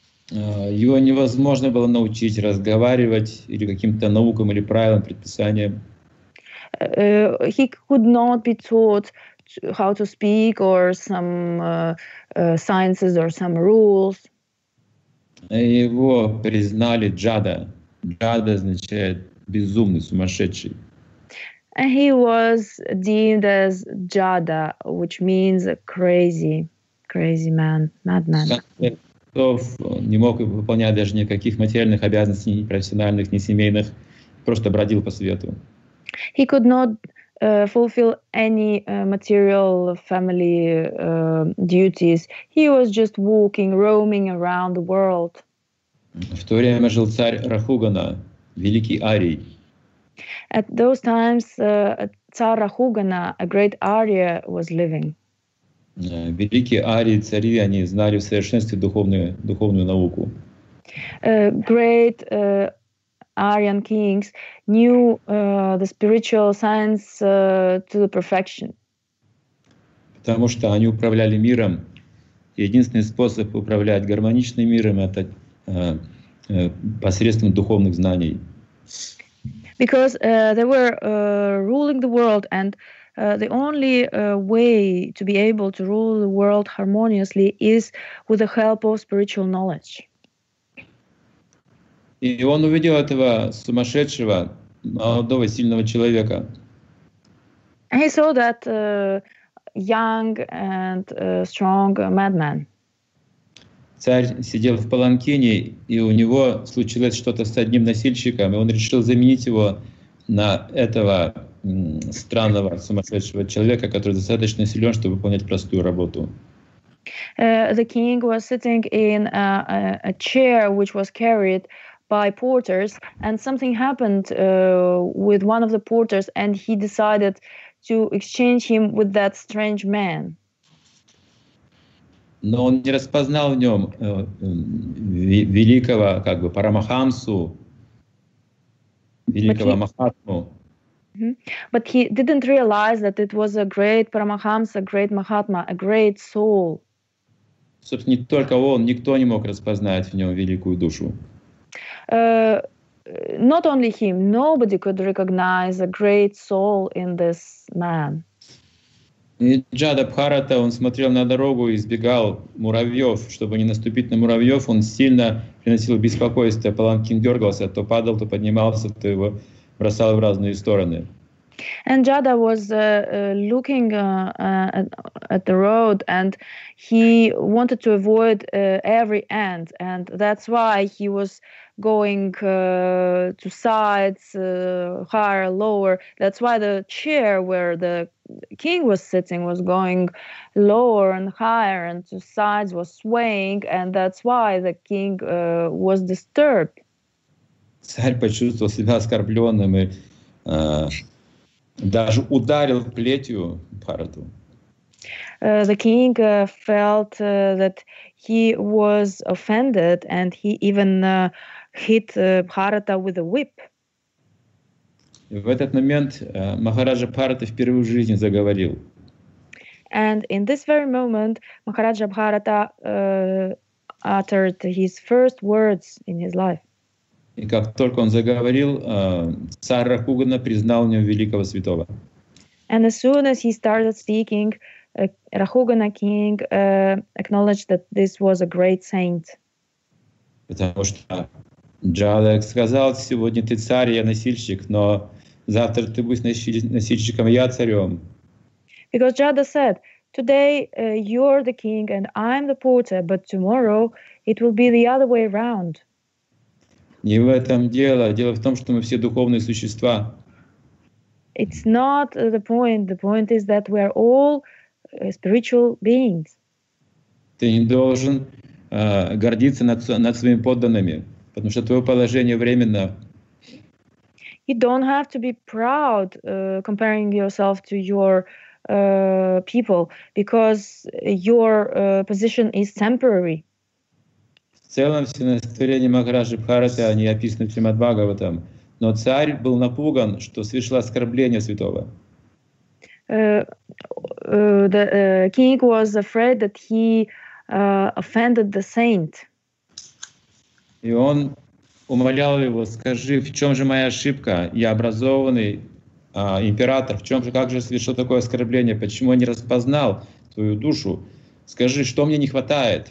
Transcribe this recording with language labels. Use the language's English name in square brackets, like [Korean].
[Russian] Его невозможно было научить разговаривать или каким-то наукам или правилам, предписаниям. [English] He could not be taught how to speak or some sciences or some rules. [Russian] Его признали джада. Джада означает безумный, сумасшедший. [English] And he was deemed as jada, which means a crazy, crazy man, madman. [Russian] Он не мог выполнять даже никаких материальных обязанностей, ни профессиональных, ни семейных, просто бродил по свету. [English] He could not fulfill any material family duties. He was just walking, roaming around the world. [Russian] В то время жил царь Рахугана, великий арий. [English] At those times, царь Рахугана, a great Arya, was living. [Russian] Великие арии, цари, они знали в совершенстве духовную науку. [English] Great Aryan kings knew the spiritual science to the perfection. [Russian] Потому что они управляли миром. Единственный способ управлять гармоничным миром — это посредством духовных знаний. [English] Because they were ruling the world and the only way to be able to rule the world harmoniously is with the help of spiritual knowledge. [Russian] И он увидел этого сумасшедшего, молодого, сильного человека. [English] He saw that young and strong madman. [Russian] Царь сидел в паланкине, и у него случилось что-то с одним носильщиком, и он решил заменить его на этого странного сумасшедшего человека, который достаточно силен, чтобы выполнять простую работу. [English] The king was sitting in a chair which was carried by porters, and something happened with one of the porters, and he decided to exchange him with that strange man. [Russian] Но он не распознал в нем великого, как бы, Парамахамсу, великого Махатму. [English] But he didn't realize that it was a great Paramahamsa, a great Mahatma, a great soul. [Russian] Собственно, не только он, никто не мог распознать в нем великую душу. [English] Not only him, nobody could recognize a great soul in this man. [Russian] И Джада Бхарата, он смотрел на дорогу и избегал муравьев. Чтобы не наступить на муравьев, он сильно приносил беспокойство. Паланкин дергался, то падал, то поднимался, то его бросал в разные стороны. [English] And Jada was looking at the road, and he wanted to avoid every end, and that's why he was going to sides, higher, lower. That's why the chair where the king was sitting was going lower and higher, and to sides was swaying, and that's why the king was disturbed. [Russian] Царь почувствовал себя оскорбленным и даже ударил плетью Бхарату. [English] The king felt that he was offended, and he even hit Бхарата with a whip. [Russian] И в этот момент Махараджа Бхарата впервые в жизни заговорил. [English] And in this very moment, Махараджа Бхарата uttered his first words in his life. [Russian] И как только он заговорил, царь Ракугана признал в нем великого святого. [English] And as soon as he started speaking, Рахугана king acknowledged that this was a great saint. [Russian] Потому что Джада сказал, сегодня ты царь, я носильщик, но завтра ты будешь носильщиком, я царем. [English] Because Джада said, today you're the king and I'm the porter, but tomorrow it will be the other way around. [Russian] Не в этом дело. Дело в том, что мы все духовные существа. [English] It's not the point. The point is that we are all spiritual beings. [Russian] Ты не должен гордиться над своими подданными, потому что твое положение временно. [English] You don't have to be proud comparing yourself to your people, because your position is temporary. [Russian] В целом все настроения Махараджи Бхараты, они описаны в Шримад Бхагаватам. Но царь был напуган, что совершило оскорбление святого. [English] King was afraid that he offended the saint. [Russian] И он умолял его, скажи, в чем же моя ошибка? Я образованный император, в чем же, как же совершил такое оскорбление? Почему я не распознал твою душу? Скажи, что мне не хватает?